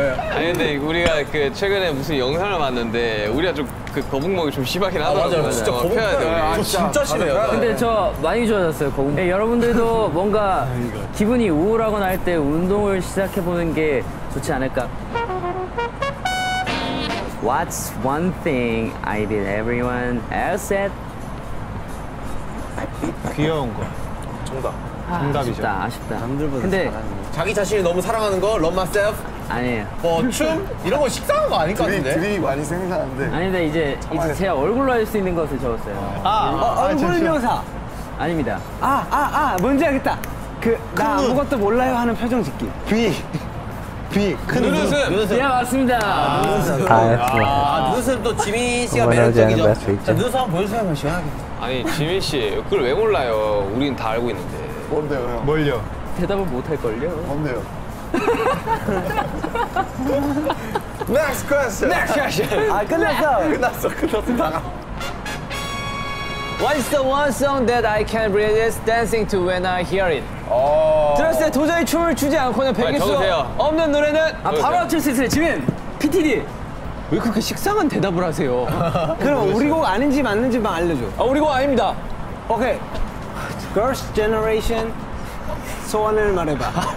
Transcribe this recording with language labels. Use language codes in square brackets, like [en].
[ko] 아니 근데 우리가 그 최근에 무슨 영상을 봤는데 우리가 좀 그 거북목이 좀 심하긴 하더라고요. 아, 맞아요. 진짜 거북목 펴야 돼요. 아, 진짜 심해요. 근데 저 많이 좋아졌어요 거북목. 네, 여러분들도 뭔가 기분이 우울하거나 할 때 운동을 시작해보는 게 좋지 않을까. [en] What's one thing I did everyone else at? [ko] 귀여운 거. 정답. 정답이죠. 아쉽다, 아쉽다. 남들보다 근데 자기 자신을 너무 사랑하는 거? [en] Love myself? [ko] 아니에요. 뭐 춤? 이런 거 식상한 거 아닐 것 같은데? 둘이 많이 생각하는데. 아니 근데 이제 제가 얼굴로 할 수 있는 것을 적었어요. 얼굴 묘사! 아닙니다. 아! 뭔지 알겠다! 그 나 아무것도 몰라요 하는 표정 짓기. 비 큰 눈웃음. 예, 맞습니다. 눈웃음. 눈웃음 또 지민 씨가 매력적이죠. 눈웃음 한번 보여주세요. 한번 시원하게. 아니 지민 씨 그걸 왜 몰라요? 우린 다 알고 있는데. 뭔데요? 형? 뭘요? 대답을 못 할 걸요? 뭔데요? [en] Next question. Next question. [ko] 아 끝났어. 끝났어 다. [en] What is the one song that I can resist dancing to when I hear it? [ko] 들었을 때 도저히 춤을 추지 않고는 배길 수 없는 노래는? 아, 바로 맞출 수 있어요. 지민! PTD! 왜 그렇게 식상한 대답을 하세요? 그럼 우리 곡 아닌지 맞는지만 알려줘. 아, 우리 곡 아닙니다. 오케이. Girls Generation 소원을 말해봐.